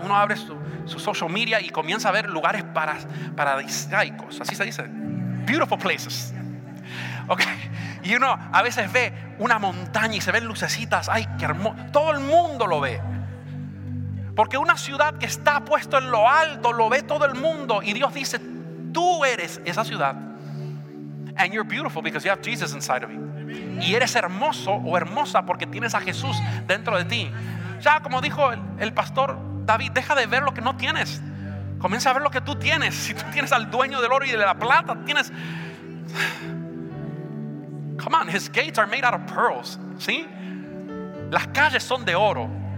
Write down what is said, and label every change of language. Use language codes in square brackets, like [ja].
[es] Uno abre su social media y comienza a ver lugares paradisíacos, así se dice, [en] beautiful places. [es] Okay. Y uno a veces ve una montaña y se ven lucecitas. Ay, qué hermoso. Todo el mundo lo ve. Porque una ciudad que está puesto en lo alto lo ve todo el mundo. Y Dios dice: tú eres esa ciudad. [en] And you're beautiful because you have Jesus inside of you. [es] Y eres hermoso o hermosa porque tienes a Jesús dentro de ti. Ya, como dijo el pastor David, deja de ver lo que no tienes. Comienza a ver lo que tú tienes. Si tú tienes al dueño del oro y de la plata, tienes. [en] Come on, his gates are made out of pearls. [es] ¿Sí? Las calles son de oro.